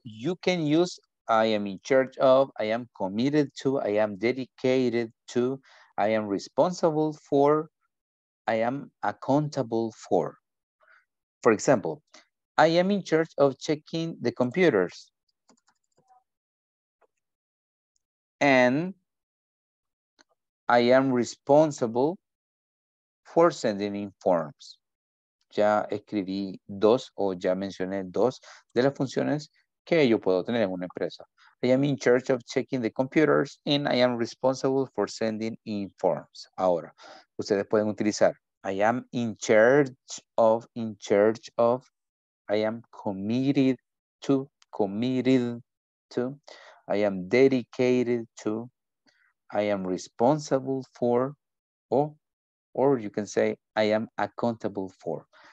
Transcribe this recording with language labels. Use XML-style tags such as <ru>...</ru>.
<en>You can use I am in charge of, I am committed to, I am dedicated to, I am responsible for, I am accountable for. For example, I am in charge of checking the computers. And I am responsible for sending in forms.</en> <es>Ya escribí dos o ya mencioné dos de las funciones que yo puedo tener en una empresa.</es> <en>I am in charge of checking the computers and I am responsible for sending in forms.</en> <es>Ahora, ustedes pueden utilizar</es> <en>I am in charge of, I am committed to, I am dedicated to, I am responsible for, or you can say, I am accountable for.</en>